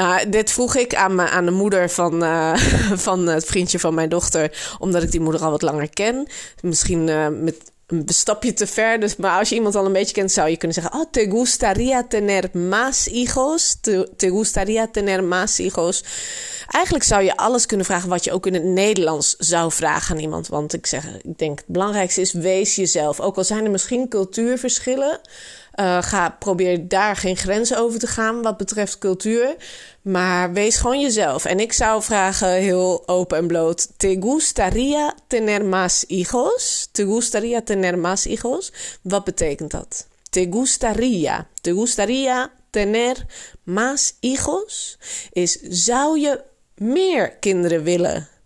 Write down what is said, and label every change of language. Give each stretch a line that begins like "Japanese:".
Dutch: Dit vroeg ik aan de moeder van het vriendje van mijn dochter, omdat ik die moeder al wat langer ken. Misschien met een stapje te ver. Dus, maar als je iemand al een beetje kent, zou je kunnen zeggen, oh,
Spanish: te gustaría tener más hijos? Te gustaría tener más hijos?
Dutch: Eigenlijk zou je alles kunnen vragen wat je ook in het Nederlands zou vragen aan iemand. Want ik denk het belangrijkste is, wees jezelf. Ook al zijn er misschien cultuurverschillen, probeer daar geen grenzen over te gaan wat betreft cultuur. Maar wees gewoon jezelf. En ik zou vragen heel open en bloot,
Spanish: te gustaría tener más hijos? Te gustaría tener más hijos?
Dutch: Wat betekent dat?
Spanish: Te gustaría. Te gustaría tener más hijos?
Dutch: Is, zou je meer kinderen willen?